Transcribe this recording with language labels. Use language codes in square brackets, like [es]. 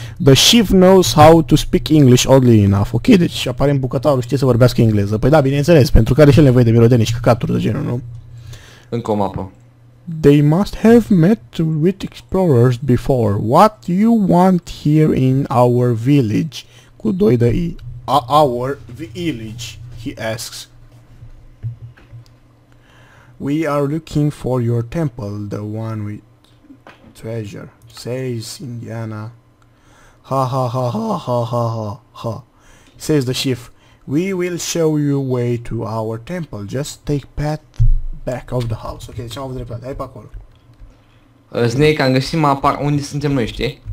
[en] The chief knows how to speak English oddly enough. [ro] Ok, deci aparent bucătarul știe să vorbească engleză. Păi da, bineînțeles, pentru că are și el nevoie de mirodenii și căcaturi de genul, nu? Încă o mapă. [en] They must have met with explorers before. What you want here in our village? [ro] Cu doi de i. [en] Our village, he asks. We are looking for your temple, the one with treasure, says Indiana. Ha ha ha ha ha ha ha ha, says the chief. We will show you way to our temple. Just take path back of the house. [ro] Ok, deci am avut dreptate. Hai pe acolo. Snake, am găsit mapa unde suntem noi, știi?